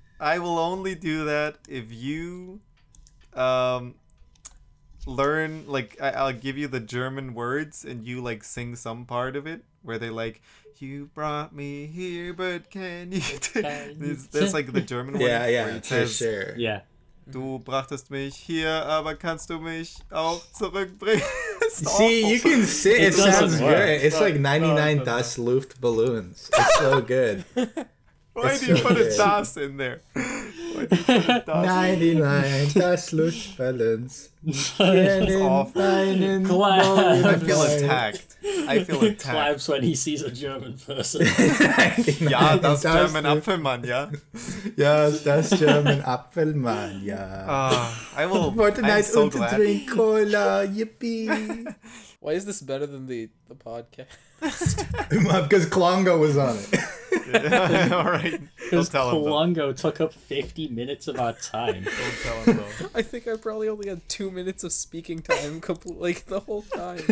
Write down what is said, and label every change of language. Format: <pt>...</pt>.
<en>I will only do that if you learn, like, I'll give you the German words and you, like, sing some part of it where they, like, you brought me here, but can you... that's like the German word. Yeah, for sure. Yeah.</en> <de>Du brachtest mich hier, aber kannst du mich auch zurückbringen?</de> <en>See, you can sing. It sounds good. Work. It's like 99 Das Luft Balloons. It's so good. Why did you put a Das in there? 99 Das Luft Balloons. It's awful. I feel attacked. Claps when he sees a German person.</en> <de>Ja, das German Apfelmann, ja. Ja, das German Apfelmann, ja.</de> <en>I will. Fortnite so und glad. Drink Cola, yippee. Why is this better than the podcast? Because Klongo was on it. Yeah, all right. Don't tell him. Klongo took up 50 minutes of our time. Don't tell him though. I think I probably only had 2 minutes of speaking time the whole time.</en>